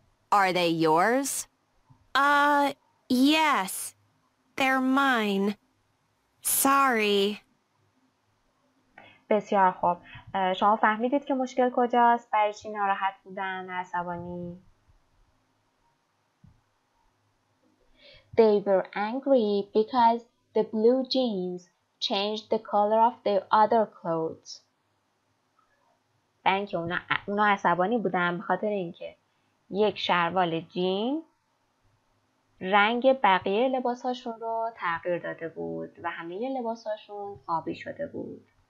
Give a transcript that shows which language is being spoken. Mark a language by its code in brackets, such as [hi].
[en] Are they yours? Yes. They're mine. Sorry. [fa] بسیار خوب. شما فهمیدید که مشکل کجاست؟ برای چی ناراحت بودن؟ عصبانی؟ [en] They were angry because the blue jeans changed the color of their other clothes. [fa] برای اینکه اونا عصبانی بودن بخاطر اینکه یک شلوار جین رنگ بقیه لباساشون رو تغییر داده بود و همه لباساشون آبی شده بود.